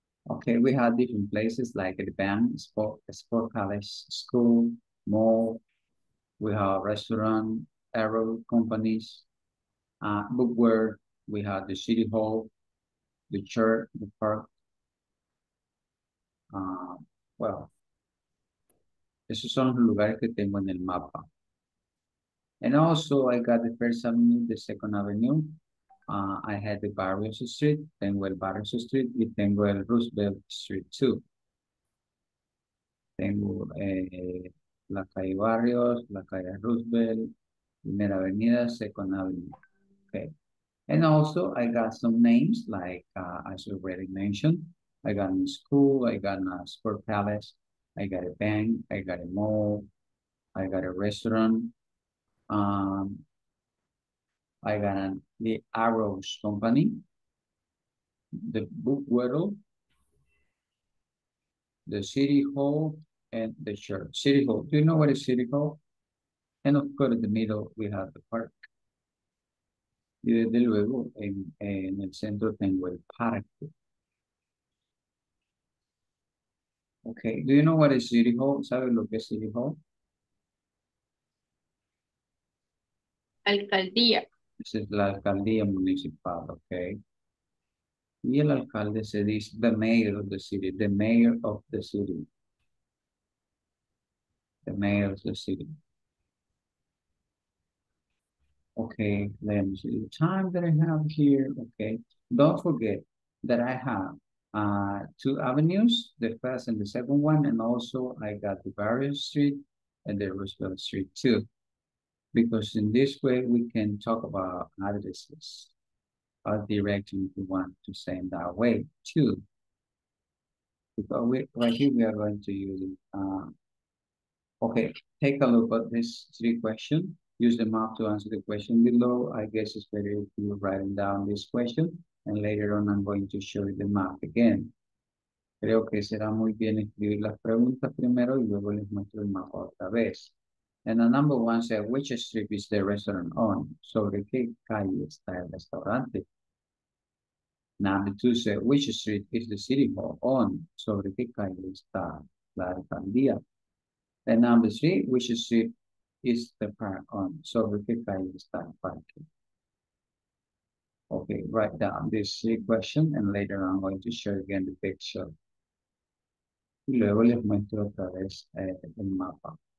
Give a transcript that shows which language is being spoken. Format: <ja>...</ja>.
<en>Okay, we have different places like the bank, sport college, school, mall. We have restaurant, aero companies, bookware. We have the city hall, the church, the park.</en> <es>Esos son los lugares que tengo en el mapa.</es> <en>And also, I got the First Avenue, the Second Avenue. I had the Barrios Street,</en> <es>tengo el Barrios Street, y tengo el Roosevelt Street, too. Tengo la calle Barrios, la calle Roosevelt, Primera Avenida,</es> <en>Second Avenue.</en> <es>Okay.</es> <en>And also, I got some names, like as you already mentioned. I got a school, I got a sport palace, I got a bank, I got a mall, I got a restaurant. I got the Arrows Company, the Book World, the City Hall, and the church. City Hall, do you know what is City Hall? And of course, in the middle, we have the park.</en> <es>Y desde luego, en el centro tengo el parque.</es> <en>Okay, do you know what is City Hall?</en> <es>¿Sabe lo que es City Hall? Alcaldía.</es> <en>This is</en> <es>la alcaldía municipal,</es> <en>okay.</en> <es>Y el alcalde se dice</es> <en>the mayor of the city,</en> <es>the mayor of the city.</es> <en>The mayor of the city. Okay, let me see the time that I have here, okay. Don't forget that I have two avenues, the first and the second one, and also I got the Barrios Street and the Roosevelt Street too. Because in this way, we can talk about addresses, or directing if you want to send that way too. Because right here, we are going to use it. Okay, take a look at this three question. Use the map to answer the question below. I guess it's better if you're writing down this question, and later on, I'm going to show you the map again.</en> <es>Creo que será muy bien escribir las preguntas primero y luego les muestro el mapa otra vez.</es> <en>And the number one said, which street is the restaurant on?</en> <es>¿Sobre qué calle está el restaurante?</es> <en>Number two said, which street is the city hall on?</en> <es>¿Sobre qué calle está la alcaldía?</es> <en>And number three, which street is the park on?</en> <es>¿Sobre qué calle está el parque?</es> <en>Okay, write down this three question and later I'm going to show again the picture.</en> <es>Y luego les muestro otra vez el mapa.</es>